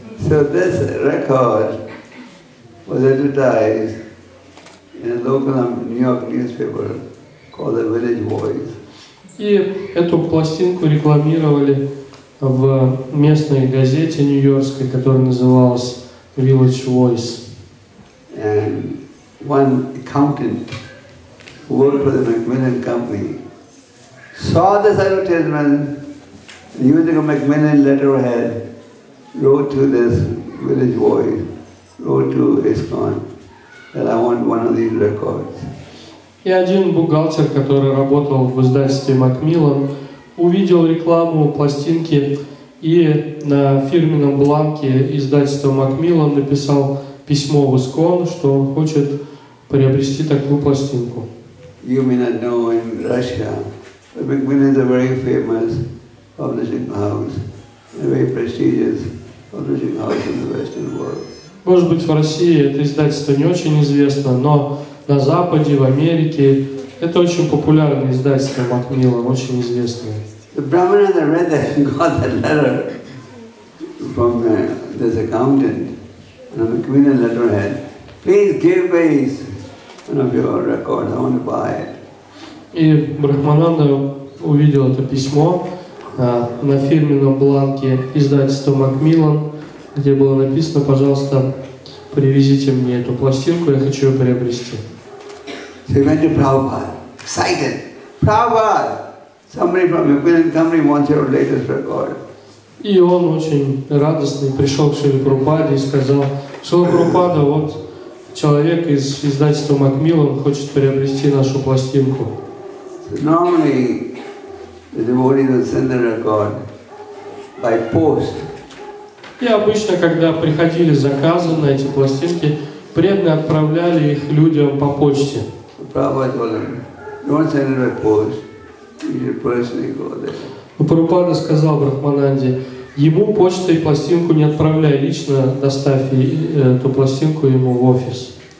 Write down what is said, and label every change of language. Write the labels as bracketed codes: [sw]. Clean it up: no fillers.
[en] So this record was advertised in a local New York newspaper called The Village Voice. [ru] И эту пластинку рекламировали в местной газете нью-йоркской, которая называлась Village Voice. [en] And one accountant who worked for the Macmillan Company saw this advertisement, and using a Macmillan letterhead, wrote to this Village Voice, wrote to ISKCON, that I want one of these records. [ru] И один бухгалтер, который работал в издательстве Macmillan, увидел рекламу пластинки и на фирменном бланке издательства Macmillan написал письмо в ИСКОН, что он хочет приобрести такую пластинку. [en] You may not know in Russia, but Macmillan is a very famous publishing house, a very prestigious publishing house in the Western world. [ru] Может быть, в России это издательство не очень известно, но на Западе, в Америке, это очень популярное издательство Macmillan, очень известное. [en] The Brahmananda read that and got that letter from this accountant on a Macmillan letterhead. Please give me one of your records, I want to buy it. [ru] И Брахмананда увидел это письмо на фирменном бланке издательства Macmillan, где было написано, пожалуйста, привезите мне эту пластинку, я хочу ее приобрести. [en] So he went to Prabhupada, excited. Prabhupada, somebody from the Macmillan company wants your latest record. [ru] И он очень радостный пришел к Шриле Прабхупаде и сказал, Шрила Прабхупада, вот человек из издательства Macmillan хочет приобрести нашу пластинку. [en] So normally, the devotees will send the record by post. [ru] И обычно, когда приходили заказы на эти пластинки, преданные отправляли их людям по почте. Прабхупада сказал Брахмананде, ему почту и пластинку не отправляй, лично доставь эту пластинку ему в офис.